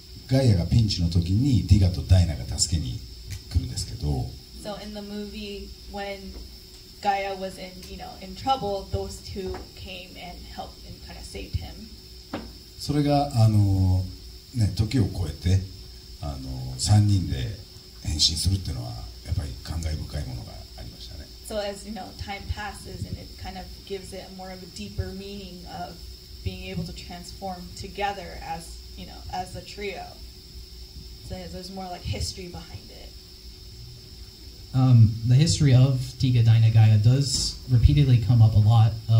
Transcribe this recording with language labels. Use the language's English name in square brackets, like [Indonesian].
[Japanese] ガイアがピンチの時にティガとダイナが助けに来るんですけど。 [English] So in the movie when Gaia was in, you know, in trouble, those two came and helped and kind of saved him. [Japanese] それがあのね時を超えてあの3人で変身するっていうのはやっぱり感慨深いものがありましたね。 [English] So as you know, time passes and it kind of gives it more of a deeper meaning of being able to transform together as you know as a trio. So there's more like history behind it. The history of Tiga Dina Gaia does repeatedly come up a lot.